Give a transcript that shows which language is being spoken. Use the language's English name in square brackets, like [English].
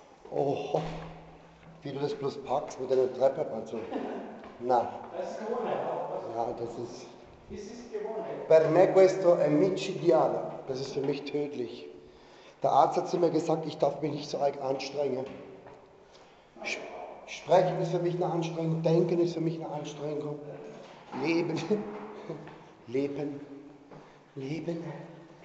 [German] Oh, wie du das bloß packst mit deiner Treppe. Also, na, das ist Corona, ja, das ist [Italian] Per me questo è micidiale. [German] Das ist für mich tödlich. Der Arzt hat zu mir gesagt, ich darf mich nicht so arg anstrengen. Sprechen ist für mich eine Anstrengung, denken ist für mich eine Anstrengung. Leben. Leben. Leben.